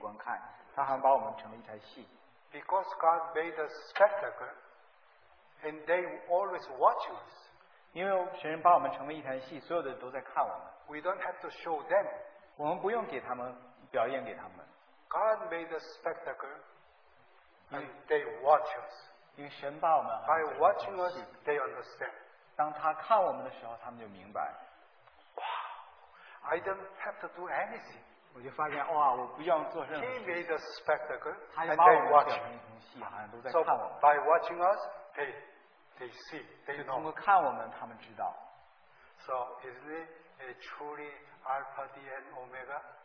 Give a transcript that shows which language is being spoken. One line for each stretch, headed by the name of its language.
Chinese: 我想神把我们使徒明明列在后面，好像钉死的罪犯，因为我们成了一台戏给世人和天使观看。他好像把我们成了一台戏。
English: Because God made us spectacle, and they always watch us.
Chinese: 因为神把我们成为一台戏，所有的都在看我们。
English: We don't have to show them.
Chinese: 我们不用给他们表演给他们。
English: God made a spectacle, and they watch us.
Chinese: 因为神把我们。
English: By watching us, they understand.
Chinese: 当他看我们的时候，他们就明白。
English: Wow, I don't have to do anything.
Chinese: 我就发现，哇，我不用做任何事。
English: He made a spectacle, and they watch.
Chinese: 他把我们表演一台戏，好像都在看我们。
English: So by watching us, they see. They know.
Chinese: 就通过看我们，他们知道。
English: So isn't it a truly Alpha D and Omega?